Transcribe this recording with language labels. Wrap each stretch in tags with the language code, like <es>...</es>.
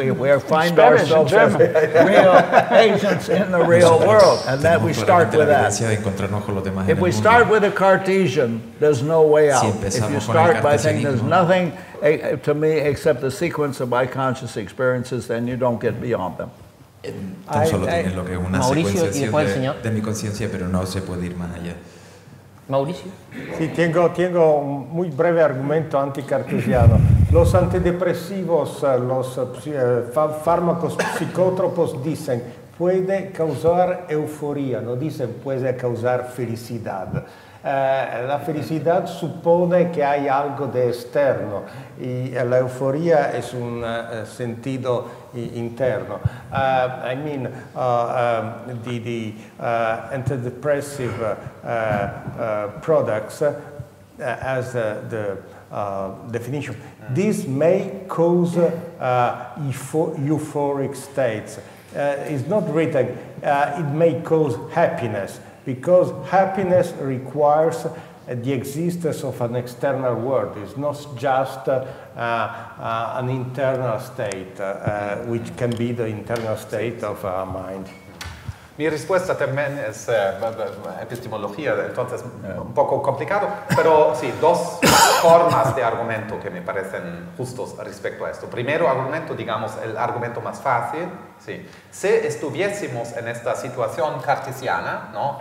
<en>We find ourselves as real agents in the real world, and that we start with that. If we start with the Cartesian, there's no way out. If you start by saying there's nothing to me except the sequence of my conscious experiences, then you don't get beyond them.</en> <es>Tan solo tienes lo que es una Mauricio, secuenciación de mi conciencia, pero no se puede ir más allá. Mauricio. Sí, tengo un muy breve argumento anticartesiano. Los antidepresivos, los fármacos psicótropos dicen puede causar euforia, no dicen puede causar felicidad. La felicidad supone que hay algo de externo y la euforia es un sentido interno.</es> <en>I mean, the antidepressive products as the definition. This may cause euphoric states. It's not written, it may cause happiness. Because happiness requires the existence of an external world. It's not just an internal state, which can be the internal state of our mind.</en> <es>Mi respuesta también es epistemología, entonces un poco complicado, pero sí, dos formas de argumento que me parecen justos respecto a esto. Primero argumento, digamos, el argumento más fácil, sí. Si estuviésemos en esta situación cartesiana, ¿no?</es>